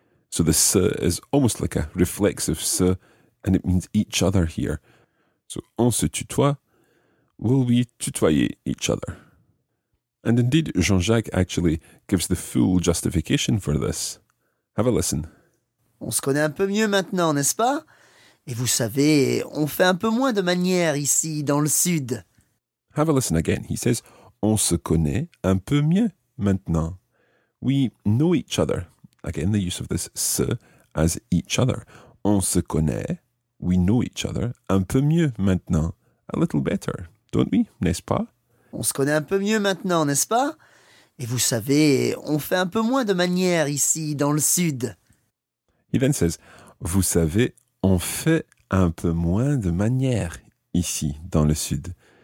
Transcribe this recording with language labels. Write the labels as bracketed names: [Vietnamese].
[English] So the se is almost like a reflexive se, and it means each other here. So [French] on se tutoie, [English] will we tutoyer each other? And indeed, Jean-Jacques actually gives the full justification for this. Have a listen. [French] On se connaît un peu mieux maintenant, n'est-ce pas? Et vous savez, on fait un peu moins de manières ici, dans le sud. [English] Have a listen again. He says, [French] on se connaît un peu mieux maintenant. [English] We know each other. Again, the use of this se as each other. [French] On se connaît, [English] we know each other, [French] un peu mieux maintenant. [English] A little better, don't we, [French] n'est-ce pas? On se connaît un peu mieux maintenant, n'est-ce pas? Et vous savez, on fait un peu moins de manières ici, dans le sud. [English] He then says, [French] vous savez, on fait un peu moins de manières ici, dans le sud.